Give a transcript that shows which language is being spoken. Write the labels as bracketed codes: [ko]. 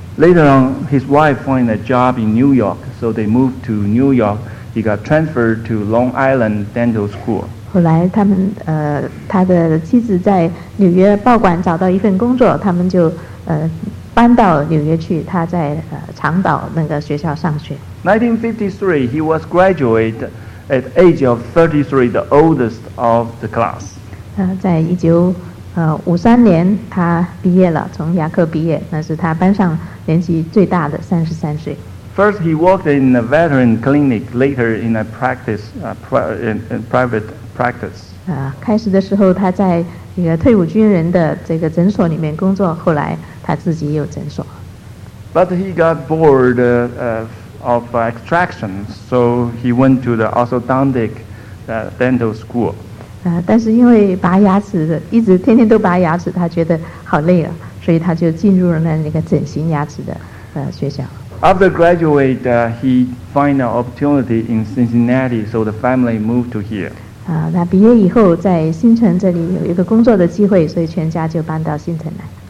[en] Later on, his wife found a job in New York, so they moved to New York. He got transferred to Long Island Dental School. [zh] 后来他们他的妻子在纽约报馆找到一份工作，他们就搬到纽约去，他在长岛那个学校上学。 [en] 1953, he was graduated at the age of 33, the oldest of the class. [zh] 在1953年他毕业了，从雅克毕业，那是他班上年纪最大的，33岁。 [en] First he worked in a veteran clinic, later in a practice, in private practice. [zh] 开始的时候他在一个退伍军人的这个诊所里面工作，后来他自己有诊所。 [en] But he got bored of extraction, so he went to the orthodontic dental school. [zh] 但是因为拔牙齿，一直天天都拔牙齿，他觉得好累啊，所以他就进入了那个整形牙齿的学校。 [en] After graduate, he find an opportunity in Cincinnati, so the family moved to here. [zh] 他毕业以后在新城这里有一个工作的机会，所以全家就搬到新城来。